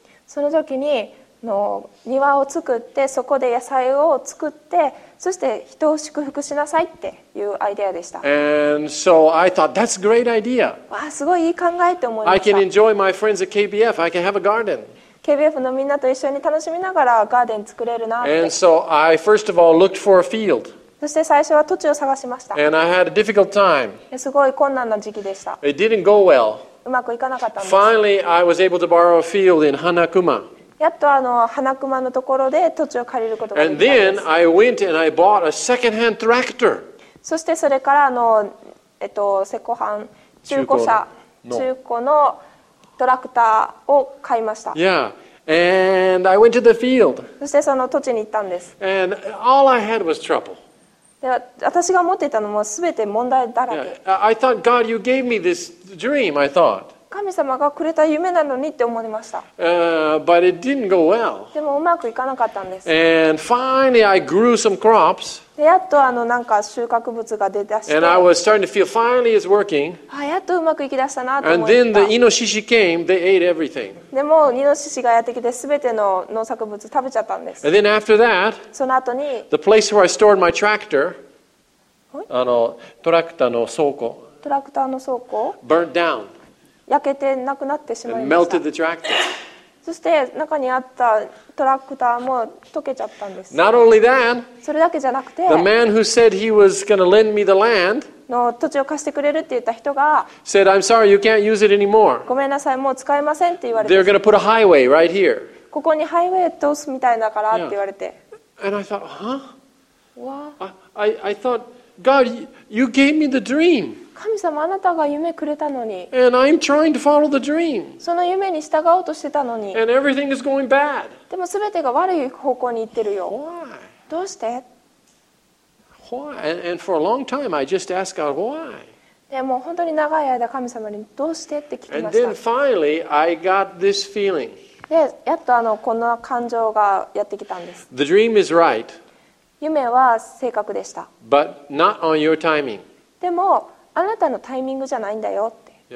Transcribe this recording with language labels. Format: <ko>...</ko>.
<ja>その時に、庭を作ってそこで野菜を作ってそして人を祝福しなさいっていうアイデアでした。</ja> <en>And so I thought that's a great idea.</en> <ja>わあ、すごいいい考えって思いました。</ja> <en>I can enjoy my friends at KBF. I can have a garden.</en> <ja>KBF のみんなと一緒に楽しみながらガーデン作れるなって。</ja> <en>And so I first of all looked for a field.</en> <ja>そして最初は土地を探しました。</ja> <en>And I had a difficult time.</en> <ja>すごい困難な時期でした。</ja> <en>It didn't go well.</en> <ja>うまくいかなかったんです。</ja> <en>Finally, I was able to borrow a field in Hanakuma.</en> <ja>やっと花熊のところで土地を借りることができたんです。</ja> <en>And then I went and I bought a second-hand tractor.</en> <ja>そしてそれから石膏班、中古車、中古のトラクターを買いました。</ja> <en>Yeah. And I went to the field.</en> <ja>そしてその土地に行ったんです。</ja> <en>And all I had was trouble.</en> <ja>で、私が持っていたのも全て問題だらけ。</ja> <en>Yeah. I thought, God, you gave me this dream, I thought.</en> <ja>神様がくれた夢なのにって思いました。</ja> <en>But it didn't go well.</en> <ja>でもうまくいかなかったんです。</ja> <en>And finally I grew some crops.</en> <ja>でやっとなんか収穫物が出だして。</ja> <en>And I was starting to feel finally it's working.</en> <ja>あ、やっとうまくいきだしたなと思った。</ja> <en>And then the Inoshishi came, they ate everything.</en> <ja>でもイノシシがやってきて全ての農作物食べちゃったんです。</ja> <en>And then after that,</en> <ja>その後に、</ja> <en>the place where I stored my tractor,</en> <ja>トラクターの倉庫、トラクターの倉庫、</ja> <en>burnt down.</en> <ja>焼けてなくなってしまいました。そして中にあったトラクターも溶けちゃったんです。</ja> <en>Not only that,</en> <ja>それだけじゃなくて、</ja> <en>the man who said he was going to lend me the land,</en> <ja>の土地を貸してくれるって言った人が、</ja> <en>said I'm sorry you can't use it anymore.</en> <ja>ごめんなさいもう使えませんって言われて、</ja> <en>they're going to put a highway right here.</en> <ja>ここにハイウェイ通すみたいだからって言われて、</ja> <en>yeah. And I thought, huh? What? I thought, God, you gave me the dream.</en> <ja>神様あなたが夢くれたのに、</ja> <en>And I'm trying to follow the dream.</en> <ja>その夢に従おうとしてたのに、</ja> <en>And everything is going bad.</en> <ja>でも全てが悪い方向に行ってるよ。</ja> <en>Why?</en> <ja>どうして</ja> <en>Why? And for a long time, I just asked God, why?</en> <ja>でも本当に長い間神様にどうしてって聞きました。</ja> <en>And then finally, I got this feeling.</en> <ja>でやっとこの感情がやってきたんです。</ja> <en>The dream is right.</en> <ja>夢は正確でした。</ja> <en>But not on your timing.</en> <ja>でもあなたのタイミングじゃないんだよって。</ja>